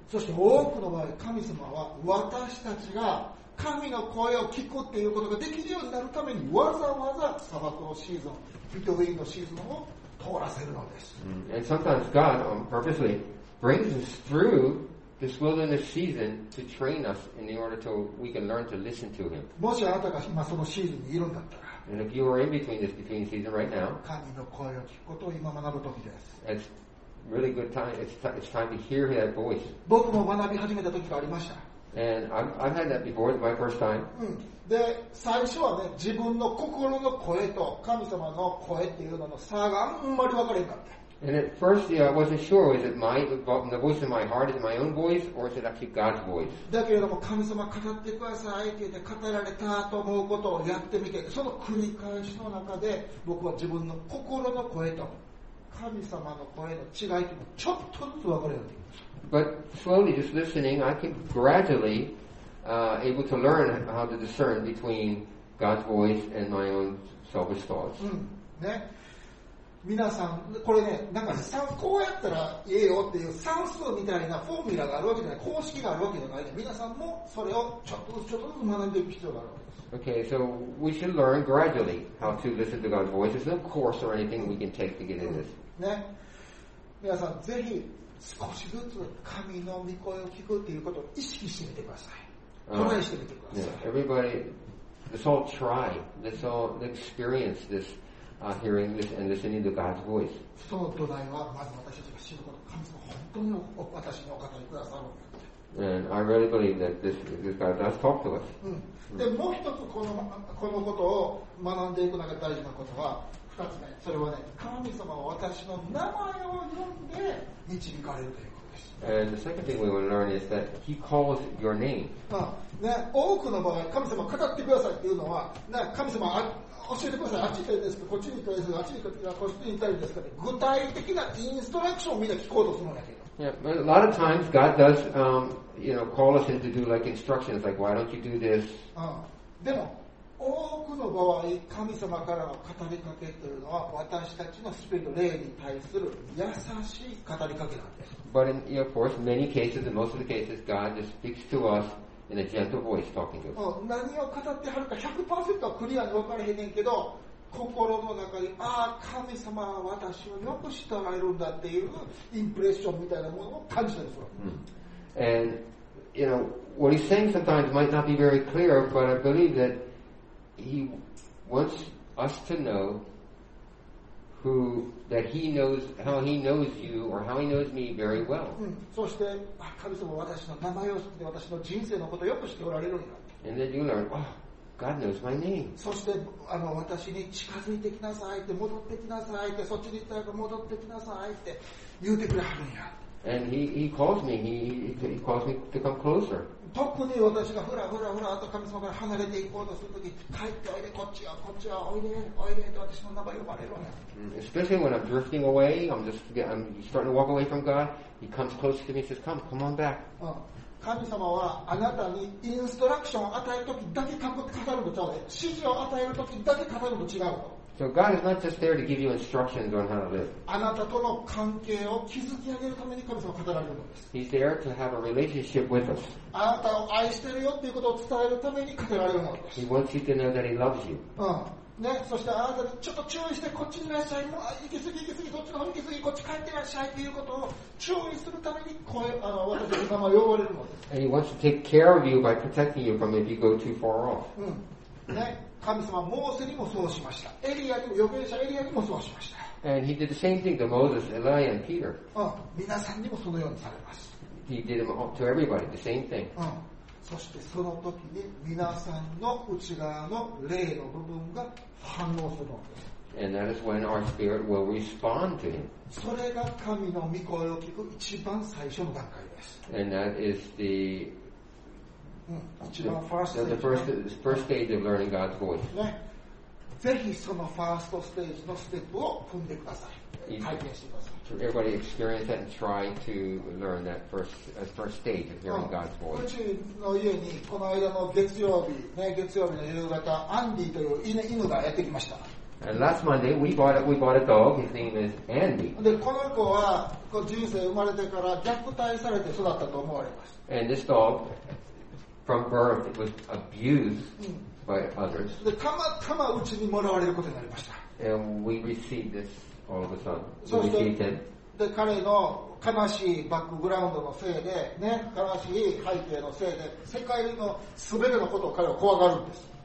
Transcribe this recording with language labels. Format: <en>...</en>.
<ja>そして多くの場合、神様は私たちが神の声を聞くっていうことができるようになるためにわざわざ砂漠のシーズン、ビトウィーンのシーズンを通らせるのです。</ja> <en>And sometimes God purposely brings us through this wilderness season to train us in order to we can learn to listen to Him.</en> <ja>もしあなたが今そのシーズンにいるんだったら、</ja> <en>And if you are in between this between season right now,</en> <ja>神の声を聞くことを今学ぶ時です。</ja> <en>It's really good time. It's time to hear that voice.</en> <ja>僕も学び始めた時がありました。</ja> <en>And I've had that before, my first time.</en> <ja>で、最初はね、自分の心の声と神様の声っていうのの差があんまり分からへんかった。</ja> <en>And at first, yeah, I wasn't sure. Is it my, the voice in my heart, is it my own voice, or is it actually God's voice?</en> <ja>だけれども、神様語ってくださいって言って語られたと思うことをやってみて、その繰り返しの中で、僕は自分の心の声と神様の声の違いってちょっとずつ分かるようになりました。</ja> <en>But slowly, just listening, I can gradually, able to learn how to discern between God's voice and my own selfish thoughts.</en> <ja>ね。皆さん、これね、なんか、こうやったらいいよっていう算数みたいなフォーミュラがあるわけじゃない、公式があるわけじゃない。皆さんもそれをちょっとずつちょっとずつ学んでいく必要があるわけです。</ja> <en>Okay, so we should learn gradually how to listen to God's voice. There's no course or anything we can take to get in this.</en> <ja>ね。皆さん、ぜひ、少しずつ神の御声を聞くっていうことを意識してみてください。トライしてみてください。</ja> <en>Yeah. Everybody, let's all try. Let's all experience this, hearing this and listening to God's voice.</en> <ja>その土台は、まず私たちが知ること、神様本当に私にお語りくださる。</ja> <en>And I really believe that this God does talk to us.</en> <ja>で、もう一つこのことを学んでいく中で大事なことは、二つ目、それはね、神様は私の名前を呼んで導かれるということです。</ja> <en>And the second thing we will learn is that He calls your name.</en> <ja>ね、多くの場合、神様語ってくださいっていうのは、ね、神様教えてください、あっち行きたいですか、こっちに行きたいですか、あっちに行きたいですか、こっちに行きたいですか、具体的なインストラクションをみんな聞こうとするんだけど。</ja> <en>Yeah, but a lot of times God does, you know, call us in to do like instructions, like why don't you do this?</en> <ja>でも多くの場合、神様からの語りかけというのは私たちのスピード霊に対する優しい語りかけなんです。</ja> <en>But in, of course, many cases, in most of the cases, God just speaks to us in a gentle voice, talking to us.</en> <ja>何を語ってはるか 100% はクリアに分からへんねんけど。心の中に、ああ、神様は私をよく知っておられるんだっていうインプレッションみたいなものを感じたんですよ。</ja> <en>And, you know, what he's saying sometimes might not be very clear, but I believe that he wants us to know who, that he knows, how he knows you or how he knows me very well.</en> <ja>そして、神様は私の名前を知って、私の人生のことをよく知っておられるんだ。</ja> <en>And then you learn, wow, God knows my name.</en> <ja>そしてあの私に近づいてきなさいって戻ってきなさいってそっちに行ったら戻ってきなさいって言うてくれはるんや。</ja> <en>And he calls me. He calls me to come closer.</en> <ja>特に私がふらふらふらと神様から離れていこうとするとき、帰っておいで、こっちよ、こっちよ、おいで、おいでと私の名前呼ばれるわね。</ja> <en>Especially when I'm drifting away, I'm starting to walk away from God. He comes closer to me and says, "Come, come on back."</en> <ja>神様はあなたにインストラクションを与えるときだけ語るのちゃうで、指示を与えるときだけ語るの違う。</ja> <en>So God is not just there to give you instructions on how to live.</en> <ja>あなたとの関係を築き上げるために神様は語られるのです。</ja> <en>He's there to have a relationship with us.</en> <ja>あなたを愛してるよということを伝えるために語られるのです。</ja> <en>He wants you to know that he loves you.</en> <ja>ね、そしてあなたにちょっと注意してこっちにいらっしゃい、もう行き過ぎ行き過ぎ、こっちの方に行き過ぎ、こっち帰っていらっしゃいということを注意するために声、あの私の神様は呼ばれるのです。</ja> <en>And he wants to take care of you by protecting you from if you go too far off.</en> <ja>ね。神様はモーセにもそうしました。エリアにも、預言者エリアにもそうしました。</ja> <en>And he did the same thing to Moses, Eli, and Peter.</en> <ja>皆さんにもそのようにされます。</ja> <en>He did them all, to everybody the same thing.</en> <ja>そしてその時に皆さんの内側の霊の部分が反応するのです。</ja> <en>And that is when our spirit will respond to him.</en> <ja>それが神の御声を聞く一番最初の段階です。</ja> <en>And that is the The first stage of learning God's voice.</en> <ja>ね、ぜひそのファーストステージのステップを踏んでください。体験してください。</ja> <en>Everybody experience that and try to learn that first stage of hearing God's voice.</en> <ja>うちの家にこの間の月曜日、ね、月曜日の夕方、アンディという犬がやってきました。</ja> <en>And last Monday we bought a dog. His name is Andy.</en> <ja>でこの子は人生生まれてから虐待されて育ったと思われます。</ja> <en>And this dog. From birth, it was abused by others.</en> <ja>で、たまたまうちにもらわれることになりました。</ja> <en>And we received this all of a sudden.</en> <ja>そして、で、彼の悲しいバックグラウンドのせいで、ね、悲しい背景のせいで、世界の全てのことを彼は怖がるんです。</ja>